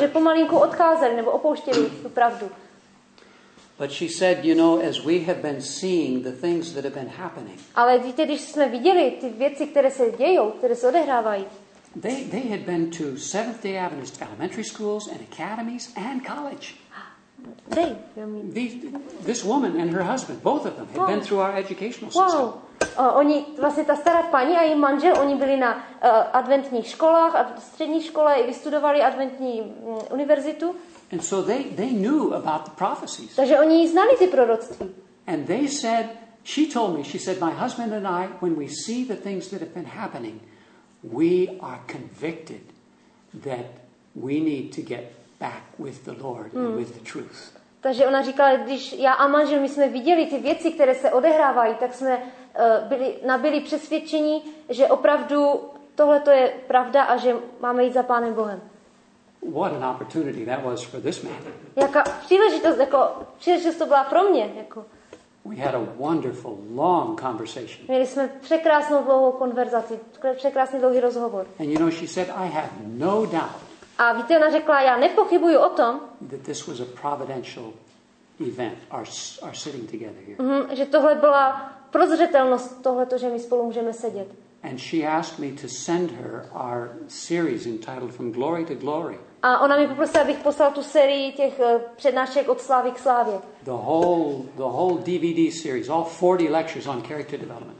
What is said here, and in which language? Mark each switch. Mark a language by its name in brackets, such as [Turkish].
[Czech] Že pomalinku odcházeli nebo opouštěli tu pravdu. [English] But she said, you know, as we have been seeing the things that have been happening. [Czech] Ale víte, když jsme viděli ty věci, které se dějou, které se odehrávají. [English] They had been to Seventh-day Adventist elementary schools and academies and college. They, you mean? This woman and her husband, both of them, had been through our educational system. Wow. [Czech] Oni, vlastně ta stará paní a její manžel, oni byli na adventních školách a v střední škole i vystudovali adventní univerzitu. [English] And so they knew about the prophecies. [Czech] Takže oni znali ty proroctví. [English] And they said, she told me, she said, my husband and I, when we see the things that have been happening, we are convicted that we need to get back with the Lord and with the truth. [Czech] Takže ona říkala, když já a manžel my jsme viděli ty věci, které se odehrávají, tak jsme nabyli přesvědčení, že opravdu tohle to je pravda a že máme jít za Pánem Bohem. [English] What an opportunity that was for this man. [Czech] Jaká příležitost, jako příležitost to byla pro mě, jako. [English] We had a wonderful long conversation. [Czech] Měli jsme překrásnou dlouhou konverzaci, překrásný dlouhý rozhovor. [English] And you know, she said, I have no doubt. [Czech] A víte, ona řekla, já nepochybuju o tom, [English] that this was a providential event, our sitting together here. [Czech] Že tohle byla prozřetelnost tohleto, že my spolu můžeme sedět. [English] And she asked me to send her our series entitled From Glory to Glory. [Czech] A ona mi poprosila, abych poslal tu sérii těch přednášek od slávy k slávě. [English] The whole DVD series, all 40 lectures on character development.